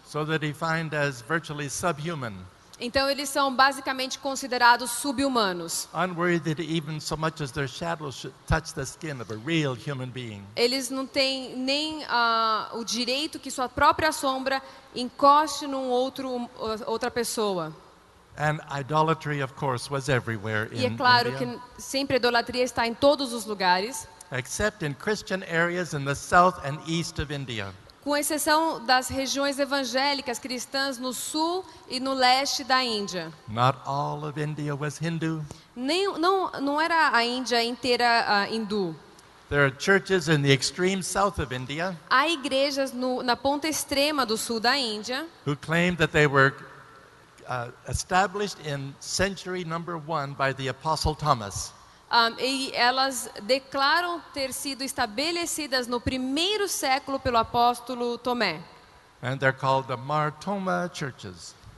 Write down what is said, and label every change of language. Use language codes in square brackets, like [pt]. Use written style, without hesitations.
[en] So they're defined as virtually subhuman. [pt] Então eles são basicamente considerados subhumanos. [en] Unworthy even so much as their shadows should touch the skin of a real human being. [pt] Eles não têm nem o direito que sua própria sombra encoste num outra pessoa. [en] And idolatry of course was everywhere in [pt] India. E é claro [en] India. [pt] Que sempre a idolatria está em todos os lugares. [en] Except in Christian areas in the south and east of India. [pt] Com exceção das regiões evangélicas cristãs no sul e no leste da Índia. [en] Not all of India was Hindu. [pt] Não era a Índia inteira hindu. [en] There are churches in the extreme south of India. [pt] Há igrejas na ponta extrema do sul da Índia. [en] Who claimed that they were established in century number one by the Apostle Thomas. [pt] E elas declaram ter sido estabelecidas no primeiro século pelo apóstolo Tomé. [en] And they're called the Martoma churches.